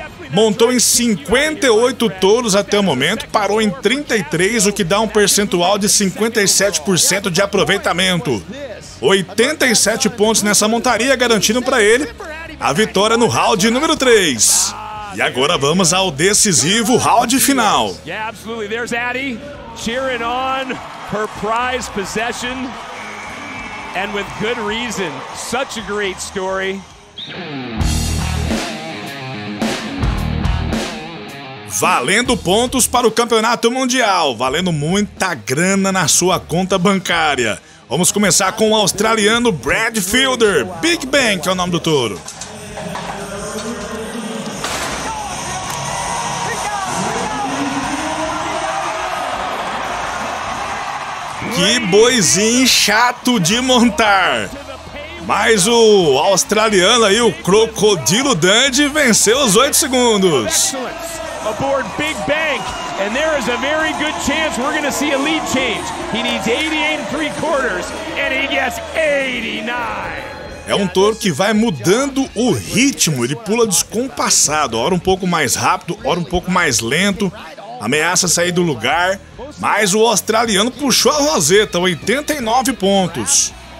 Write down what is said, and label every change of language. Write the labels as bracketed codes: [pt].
[pt] Montou em 58 touros até o momento, parou em 33, o que dá um percentual de 57% de aproveitamento. 87 pontos nessa montaria, garantindo para ele a vitória no round número 3. E agora vamos ao decisivo round final. [en] Yeah, absolutely. There's Addy cheering on her prize possession. And with good reason. Such a great story. [pt] Valendo pontos para o campeonato mundial. Valendo muita grana na sua conta bancária. Vamos começar com o australiano Brad Fielder. Big Bang que é o nome do touro. Que boizinho chato de montar. Mas o australiano aí, o Crocodilo Dundee, venceu os 8 segundos. [en] Aboard Big Bank, and there is a very good chance we're going to see a lead change. He needs 88.75, and he gets 89. [pt] É um touro que vai mudando o ritmo, ele pula descompassado, ora um pouco mais rápido, ora um pouco mais lento, ameaça sair do lugar, mas o australiano puxou a roseta, 89 pontos.